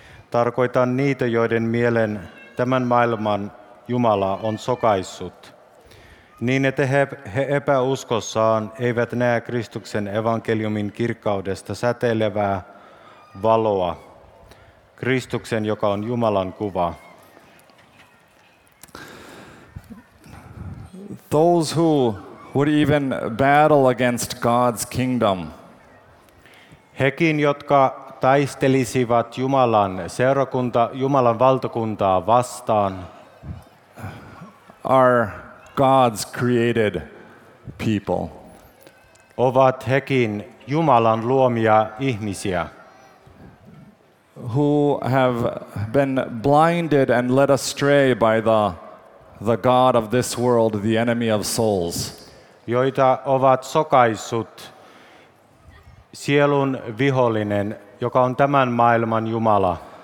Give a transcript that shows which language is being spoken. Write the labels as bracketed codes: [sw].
[fi] Tarkoitan niitä, joiden mielen tämän maailman Jumala on sokaissut, niin että he epäuskossaan eivät näe Kristuksen evankeliumin kirkkaudesta säteilevää valoa, Kristuksen, joka on Jumalan kuva. [en] Those who would even battle against God's kingdom. [fi] Hekin, jotka taistelisivat Jumalan seurakunta, Jumalan valtakuntaa vastaan, [en] are God's created people. [fi] Ovat hekin Jumalan luomia ihmisiä, [en] who have been blinded and led astray by the god of this world, the enemy of souls. [fi] Joita ovat sokaissut sielun vihollinen, joka on tämän maailman Jumala.